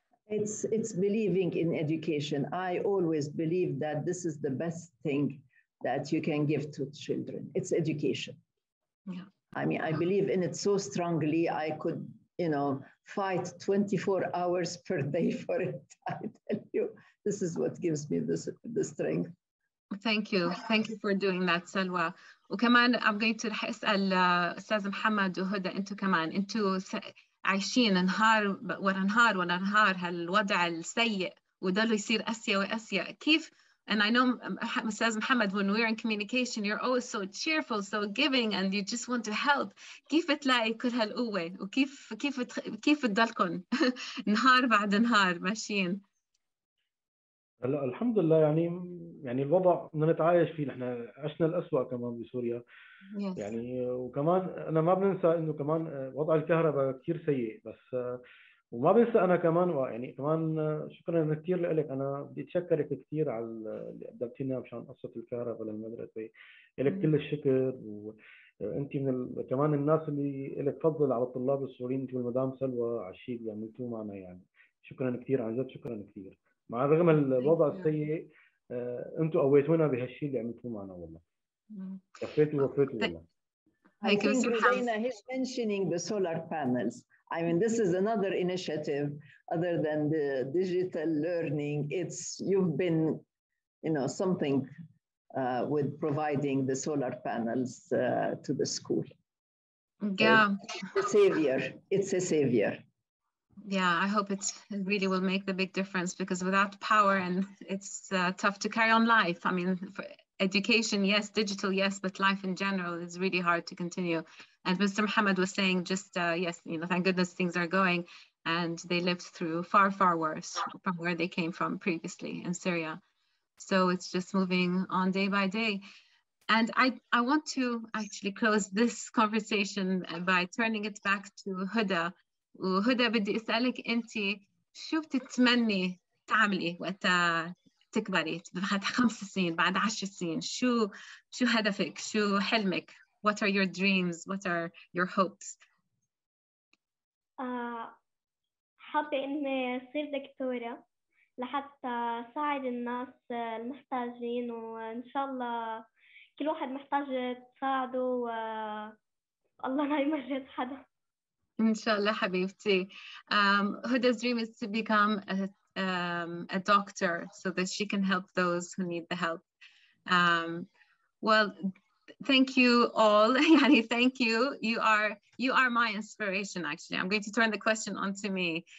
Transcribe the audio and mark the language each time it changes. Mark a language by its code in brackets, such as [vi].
[en] It's believing in education. I always believe that this is the best thing that you can give to children. It's education. Yeah. I mean, I believe in it so strongly, I could, you know, fight 24 hours per day for it. I tell you, this is what gives me the strength. Thank you. Thank you for doing that, Salwa. [ar] وكمان, [en] I'm going to ask Ustaz Muhammad Huda into command, into [ar] عايشين نهار ورا نهار ورا نهار هالوضع السيء وده اللي يصير أسيء وأسيء. كيف [en] And I know, says Mohammed, when we're in communication, you're always so cheerful, so giving, and you just want to help. [ar] كيف تلاقي كل هالقوة وكيف كيف كيف تضلكم نهار بعد نهار ماشيين؟ هلا الحمد لله يعني الوضع بدنا نتعايش فيه. نحن عشنا الأسوأ كمان بسوريا يعني، وكمان أنا ما بننسى إنه كمان وضع الكهرباء كتير سيء، بس وما بنسى أنا كمان يعني كمان شكرا كتير لك، أنا بدي أتشكرك كتير على اللي قدمتينا مشان قصة الكهرباء للمدرسة، لك كل الشكر. وأنت من كمان الناس اللي لك فضل على الطلاب السوريين، أنت والمدام سلوى على الشيء اللي عملتوه معنا، يعني شكرا كتير عن جد، شكرا كتير. مع رغم الوضع السيء انتم قويتونا بهالشيء اللي عملتوه معنا، والله كفيتوا وفيتوا والله. [en] Thank you, Rudayna. He's mentioning the solar panels. I mean, this is another initiative other than the digital learning. It's you've been, you know, something with providing the solar panels to the school. Yeah. It's a savior. It's a savior. Yeah, I hope it really will make the big difference, because without power, and it's tough to carry on life. I mean, for education, yes, digital, yes, but life in general is really hard to continue. And Mr. Mohammed was saying just, yes, you know, thank goodness things are going, and they lived through far, far worse from where they came from previously in Syria. So it's just moving on day by day. And I want to actually close this conversation by turning it back to Huda. [ar] وهدى بدي أسألك أنت شو بتتمني تعملي وقت تكبري بعد 5 سنين بعد 10 سنين؟ شو هدفك؟ شو حلمك؟ [en] What are your dreams? What are your hopes? [ar] حابة إني أصير دكتورة لحتى ساعد الناس المحتاجين، وإن شاء الله كل واحد محتاج تساعده، والله ما يمرض حدا. [en] Inshallah, Habibti. Huda's dream is to become a doctor so that she can help those who need the help. Well, thank you all. Yani, thank you. You are my inspiration, actually. I'm going to turn the question on to me.